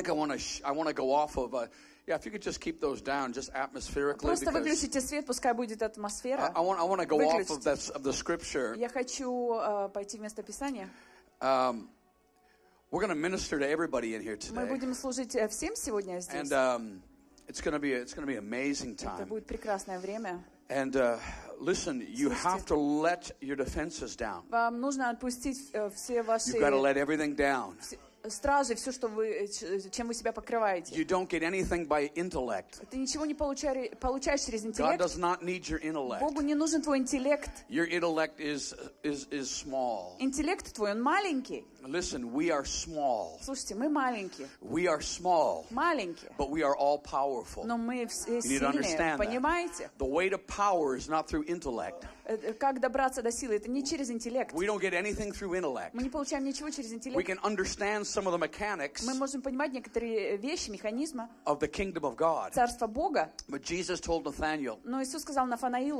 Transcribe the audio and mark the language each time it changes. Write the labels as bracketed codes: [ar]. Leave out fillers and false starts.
[en] Yeah, if you could just keep those down, just atmospherically. [ru] Просто выключите свет, пускай будет атмосфера. [en] I want to go off of that of the scripture. [ru] Я хочу пойти вместо Писания. [en] We're going to minister to everybody in here today. [ru] Мы будем служить всем сегодня здесь. [en] And it's going to be amazing time. [ru] Это будет прекрасное время. [en] And listen, you have to let your defenses down. [ru] Вам нужно отпустить все ваши. [en] You've got to let everything down. [ru] Стражи, все, что вы, чем вы себя покрываете. [en] You don't get anything by intellect. [ru] Ты ничего не получаешь через интеллект. [en] God does not need your intellect. [ru] Богу не нужен твой интеллект. [en] Your intellect is small. [ru] Интеллект твой, он маленький. [en] Listen, we are small. [ru] Слушайте, мы маленькие. [en] We are small. [ru] Маленькие. [en] But we are all powerful. [ru] Но мы все [en] you [ru] сильные, [en] understand [ru] понимаете? [en] That. The way to power is not through intellect. [ru] Как добраться до силы? Это не через интеллект. [en] We don't get anything through intellect. [ru] Мы не получаем ничего через интеллект. [en] We can understand some of the mechanics. [ru] Мы можем понимать некоторые вещи, механизмы. [en] Of the kingdom of God. [ru] Царство Бога. [en] But Jesus told Nathanael. [ru] Но Иисус сказал Нафанаилу.